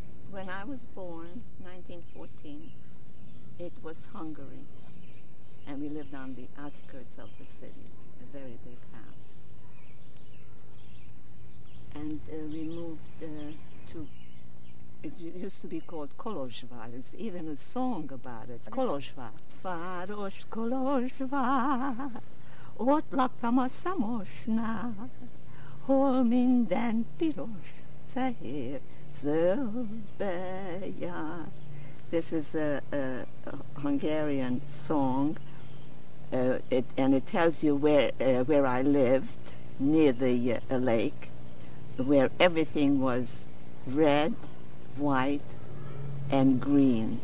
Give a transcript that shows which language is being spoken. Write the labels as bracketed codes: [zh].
[en] When I was born, 1914, it was Hungary, and we lived on the outskirts of the city, a very big house. And we moved to, it used to be called Kolozsvár. It's even a song about it, Kolozsvár. [hu] Város Kolozsvár, ott laktam a szamosnál, hol minden piros, fehér, zöldbe jár. [en] This is a Hungarian song, it tells you where I lived, near the lake, where everything was red, white, and green.